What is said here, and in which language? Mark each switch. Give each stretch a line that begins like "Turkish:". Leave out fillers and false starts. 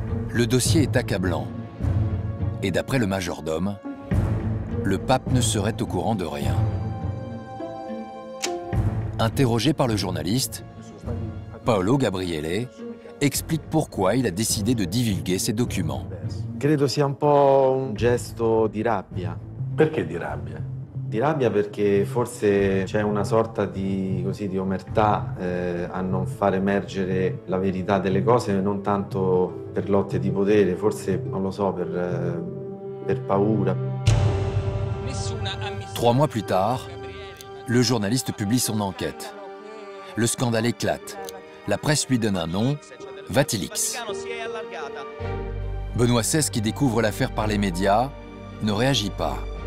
French: Le dossier est accablant. Et d'après le majordome, le pape ne serait au courant de rien. Interrogé par le journaliste, Paolo Gabriele explique pourquoi il a décidé de divulguer ces documents.
Italian: Credo sia un po' un gesto di rabbia. Perché di rabbia? Di rabbia perché forse c'è una sorta di così di omertà a non far emergere la verità delle cose, non tanto per lotte di potere, forse non lo so, per paura.
French: Trois mois plus tard, le journaliste publie son enquête. Le scandale éclate. La presse lui donne un nom, Vatilix. Benoît XVI, qui découvre l'affaire par les médias, ne réagit pas.